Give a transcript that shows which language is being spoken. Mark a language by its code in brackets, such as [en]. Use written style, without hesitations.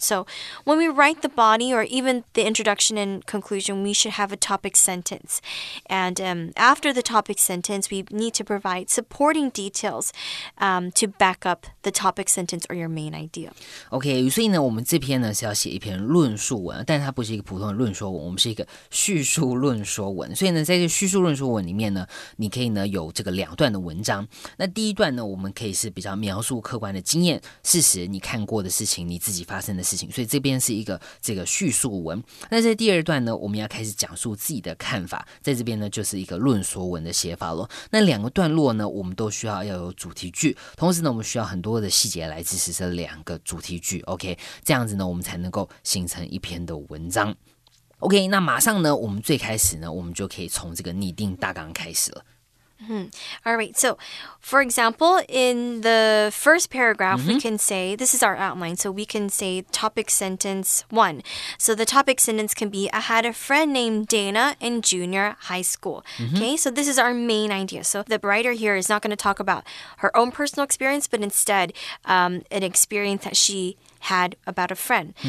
[en] So when we write the body or even the introduction and conclusion, we should have a topic sentence. And after the topic sentence, we need to provide supporting details to back up the topic sentence or your main idea. Okay, so in our this is to write a conclusion, but it's not a normal conclusion. [zh] 我们是一个叙述论说文，所以呢，在这叙述论说文里面呢，你可以呢有这个两段的文章。那第一段呢，我们可以是比较描述客观的经验、事实、你看过的事情、你自己发生的事情，所以这边是一个这个叙述文。那在第二段呢，我们要开始讲述自己的看法，在这边呢就是一个论说文的写法咯。那两个段落呢，我们都需要要有主题句，同时呢，我们需要很多的细节来支持这两个主题句。 OK， 这样子呢，我们才能够形成一篇的文章。 OK， 那马上呢，我们最开始呢，我们就可以从这个拟定大纲开始了。 [en] Alright, so for example, in the first paragraph, we can say, this is our outline, so we can say topic sentence one. So the topic sentence can be, I had a friend named Dana in junior high school. Okay, so this is our main idea. So the writer here is not going to talk about her own personal experience, but instead an experience that she had about a friend.